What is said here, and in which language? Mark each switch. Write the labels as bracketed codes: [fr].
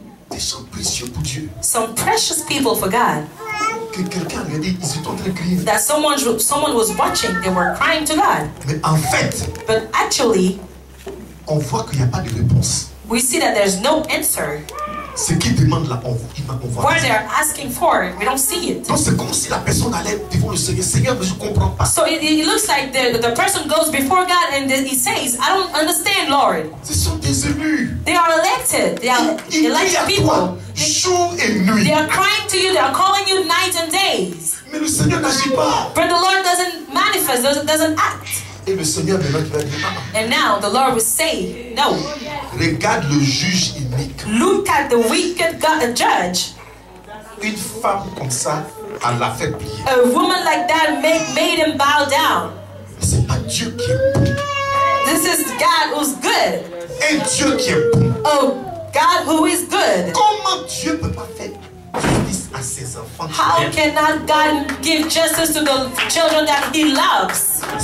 [fr] Des gens précieux pour Dieu. [en] Some precious people for God. [fr] Que quelqu'un m'a dit, ils étaient en train de crier. [en] That someone was watching. They were crying to God. [fr] Mais en fait. [en] But actually. [fr] On voit qu'il n'y a pas de réponse. [en] We see that there's no answer. [fr] Ce qu'ils demandent là, on voit. [en] What they are asking for, we don't see it. [fr] Donc c'est comme si la personne allait devant le Seigneur. Seigneur, mais je comprends pas. [en] So it looks like the person goes before God and he says, I don't understand, Lord. [fr] Ce sont des élus. [en] They are elected. They are elected people. [fr] Jour et nuit. [en] They are crying to you. They are calling you night and day. [fr] Mais le Seigneur n'agit pas. [en] But the Lord doesn't manifest. Doesn't act. [fr] Et le Seigneur maintenant va dire, ah. [en] And now the Lord will say, no. [fr] Regarde le juge unique. [en] Look at the wicked God, the judge. [fr] Une femme comme ça, elle l'a fait plier. [en] A woman like that made him bow down. [fr] Mais c'est pas Dieu qui est bon. [en] This is God who's good. [fr] Et Dieu qui est bon. [en] Oh, God who is good. [fr] Comment Dieu peut pas faire? À ses enfants. [en] How cannot God give justice to the children that He loves?